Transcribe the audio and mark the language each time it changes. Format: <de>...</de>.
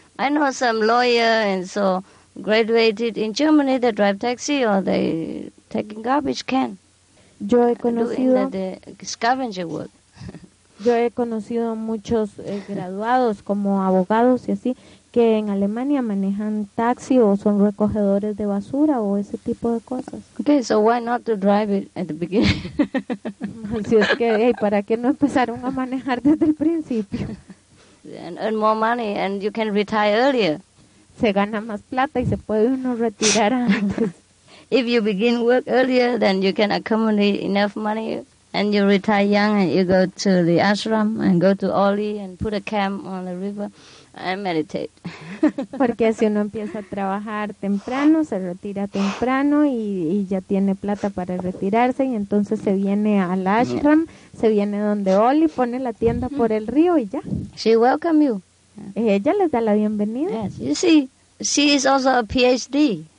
<en>I know some lawyer and so graduated in Germany, they drive taxi or they... taking garbage can.</en> <es>Yo he conocido</es> <en>scavenger work.</en> <es>Yo he conocido muchos graduados como abogados y así que en Alemania manejan taxi o son recogedores de basura o ese tipo de cosas.</es> <en>Okay, so why not to drive it at the beginning?</en> <es>Si es que, hey, ¿para qué no empezaron a manejar desde el principio?</es> <en>And earn more money and you can retire earlier.</en> <es>Se gana más plata y se puede uno retirar antes.</es> <en>If you begin work earlier, then you can accumulate enough money and you retire young and you go to the ashram and go to Oli and put a camp on the river and meditate.</en> <es>Porque si uno empieza a trabajar temprano, se retira temprano y ya tiene plata para retirarse y entonces se viene al ashram, se viene donde Oli, pone la tienda por el río y ya.</es> <en>She welcome you.</en> <es>Ella les da la bienvenida.</es> <en>Yes, you see, she is also a PhD.</en>